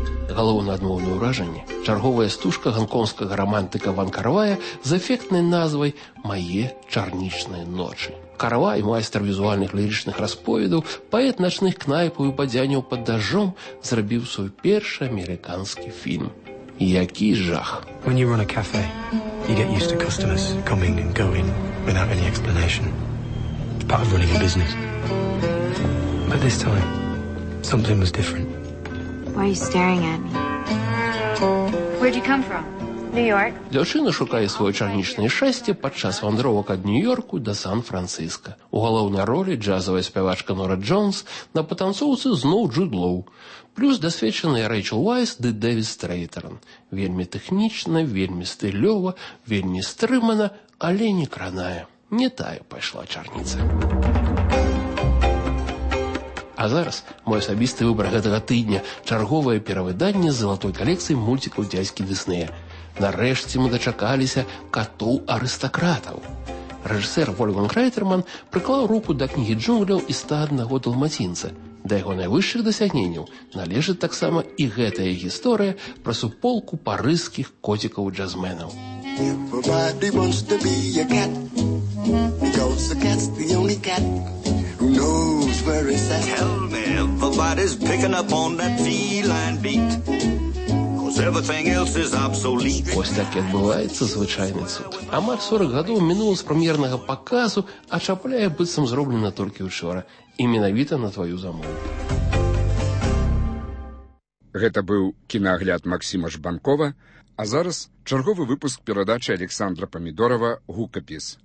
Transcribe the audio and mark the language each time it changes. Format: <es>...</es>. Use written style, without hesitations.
<be>Галоўнае адмоўнае ўражанне. Чарговая стужка гонконгскага рамантыка Ван Карвая з эфектнай назвай «Мае чарнічныя ночы». Карвай, майстар візуальных лірычных расповедаў, паэт начных кнайпаў і бадзянняў пад дажджом, зрабіў свой першы амерыканскі фільм. Які жах.</be> <en>When you run a cafe, you get used to customers coming and going without any explanation. It's part of running a business. But this time, something was different. Why are you staring at me? Where'd you come from?</en> <be>Дзяўчына шукае свое чарнічнае шчасце падчас вандровак ад Нью-Йорку да Сан-Францыска. У галоўнай ролі джазавая спявачка Нора Джонс, на патанцоўцы зноў Джуд Лоу. Плюс дасвечаныя Рэйчэл Вайс ды Дэвід Стрэйтэрн. Вельмі тэхнічна, вельмі стылёва, вельмі стрымана, але не краная. Не тая пайшла чарніца. А зараз мой асабісты выбар гэтага тыдня – чарговае перавыданне з золотой калекцыі мультикаў дзядзькі Діснея. Нарэшце мы дачакаліся «Катоў арыстакратаў». Рэжысэр Вольфганг Райтэрман прыклаў руку да кнігі джунгляў і 101 далматінца. Да яго найвышэйшых дасягненняў належыць таксама і гэтая гісторыя пра суполку парыжскіх коцікаў-джазменаў.</be> <en>Everybody wants to be a cat, because the cat's the only cat who knows where it's at. Tell me, everybody's picking up on that feline beat.</en> <be>Ось так і адбываецца звычайны цуд. Амаль 40 гадоў мінула з прэм'ернага паказу, а чапляе быццам зроблена толькі ўчора. І менавіта на тваю замову. Гэта быў кінаагляд Максіма Жбанкова, а зараз чарговы выпуск перадачы Александра Памідорова «Гукапіс».</be>